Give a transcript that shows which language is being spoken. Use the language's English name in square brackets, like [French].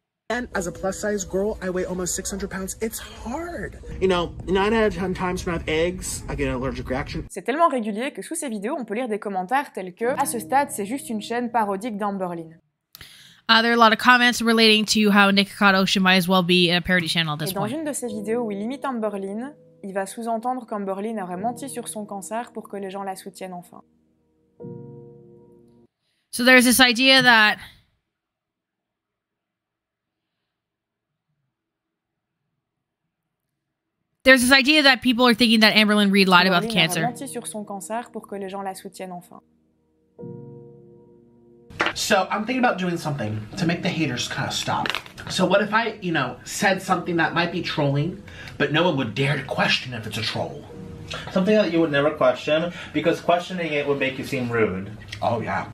[English] And as a plus size girl, I weigh almost 600 pounds, it's hard. You know, 9 out of 10 times when I have eggs, I get an allergic reaction. [French] C'est tellement régulier que sous ces vidéos, on peut lire des commentaires tels que « À ce stade, c'est juste une chaîne parodique d'Amberlynn. » [English] There are a lot of comments relating to how Nikocado should might as well be a parody channel at this [French] Et dans [English] point. [French] Dans une de ces vidéos où il imite Amberlynn, il va sous-entendre qu'Amberlynn aurait menti sur son cancer pour que les gens la soutiennent enfin. [English] So there's this idea that... There's this idea that people are thinking that Amberlynn Reid lied about the cancer. [French] Sur son cancer pour que les gens la soutiennent enfin. [English] So I'm thinking about doing something to make the haters kind of stop. So what if I, you know, said something that might be trolling, but no one would dare to question if it's a troll? Something that you would never question, because questioning it would make you seem rude. Oh, yeah.